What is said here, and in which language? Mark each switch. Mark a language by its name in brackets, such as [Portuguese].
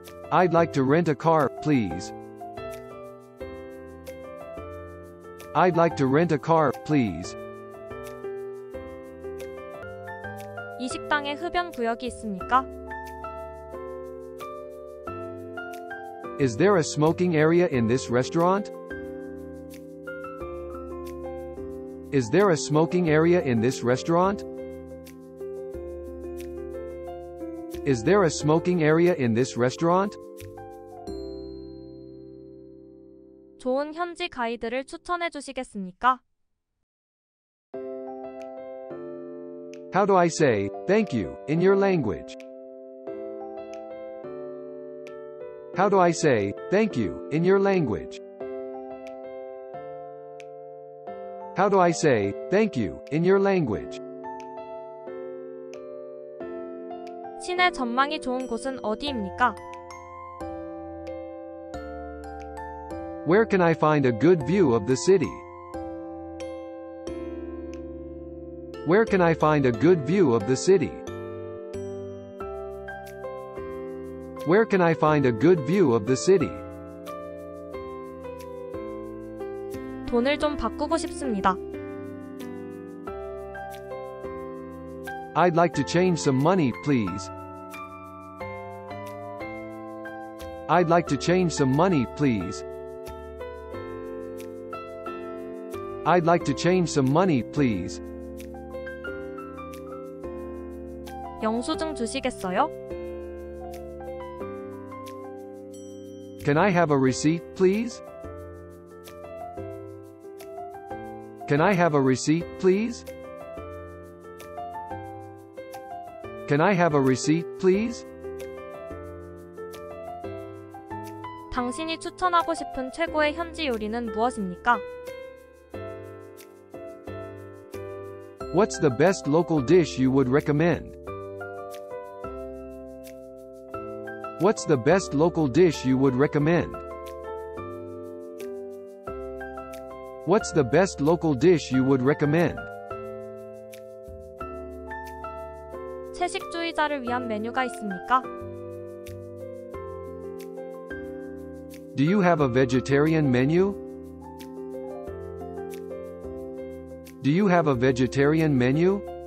[English] I'd like to rent a car, please. I'd like to rent a car, please. [Korean] 이 식당에 흡연 구역이 있습니까? [English] Is there a smoking area in this restaurant? Is there a smoking area in this restaurant? Is there a smoking area in this restaurant? [Korean] 좋은 현지 가이드를 추천해 주시겠습니까? [English] How do I say thank you in your language? How do I say thank you in your language? How do I say thank you in your language? [Korean] 시내 전망이 좋은 곳은 어디입니까? [English] Where can I find a good view of the city? Where can I find a good view of the city? Where can I find a good view of the city? [Korean] 돈을 좀 바꾸고 싶습니다. [English] I'd like to change some money, please. I'd like to change some money, please. I'd like to change some money, please. [Korean] 영수증 주시겠어요? [English] Can I have a receipt, please? Can I have a receipt, please? Can I have a receipt, please? [Korean] 당신이 추천하고 싶은 최고의 현지 요리는 무엇입니까? [English] What's the best local dish you would recommend? What's the best local dish you would recommend? What's the best local dish you would recommend? [Korean] 채식주의자를 위한 메뉴가 있습니까? [English] Do you have a vegetarian menu? Do you have a vegetarian menu?